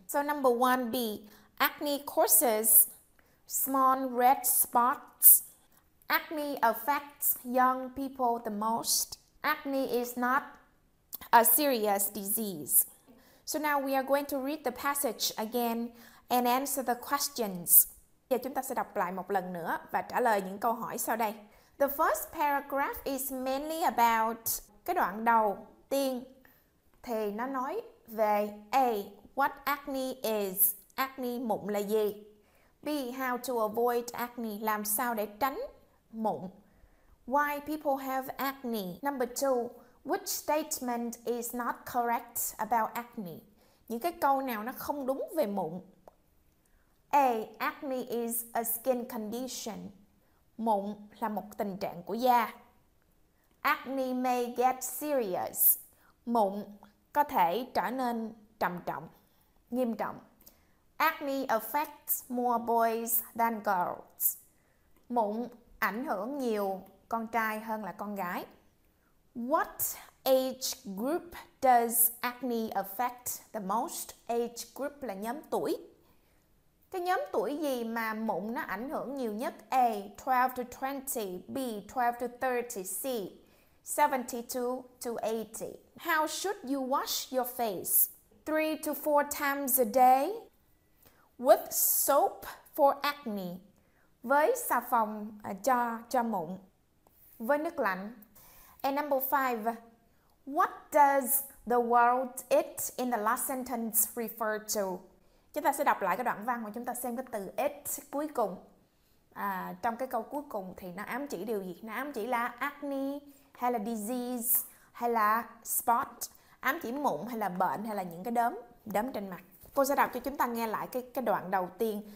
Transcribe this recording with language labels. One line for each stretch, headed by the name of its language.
English: So number 1B, acne causes small red spots. Acne affects young people the most. Acne is not a serious disease. So now we are going to read the passage again and answer the questions.
Vietnamese: Giờ chúng ta sẽ đọc lại một lần nữa và trả lời những câu hỏi sau đây.
English: The first paragraph is mainly about
Vietnamese: cái đoạn đầu tiên. Thì nó nói về A.
English: What acne is? Acne
Vietnamese: mụn là gì?
English: B. How to avoid acne?
Vietnamese: Làm sao để tránh mụn?
English: Why people have acne? Number 2. Which statement is not correct about acne?
Vietnamese: Những cái câu nào nó không đúng về mụn? A.
English: Acne is a skin condition.
Vietnamese: Mụn là một tình trạng của da.
English: Acne may get serious.
Vietnamese: Mụn có thể trở nên trầm trọng, nghiêm trọng.
English: Acne affects more boys than girls.
Vietnamese: Mụn ảnh hưởng nhiều con trai hơn là con gái.
English: What age group does acne affect the most?
Vietnamese: Age group là nhóm tuổi. Cái nhóm tuổi gì mà mụn nó ảnh hưởng nhiều nhất?
English: A. 12 to 20. B. 12 to 30. C. 72 to 80. How should you wash your face? 3 to 4 times a day with soap for acne.
Vietnamese: Với xà phòng cho mụn. Với nước lạnh.
English: And number 5. What does the word it in the last sentence refer to?
Vietnamese: Chúng ta sẽ đọc lại cái đoạn văn và chúng ta xem cái từ it cuối cùng. Trong cái câu cuối cùng thì nó ám chỉ điều gì? Nó ám chỉ là acne hay là disease, hay là spot, ám chỉ mụn hay là bệnh hay là những cái đốm trên mặt. Cô sẽ đọc cho chúng ta nghe lại cái đoạn đầu tiên.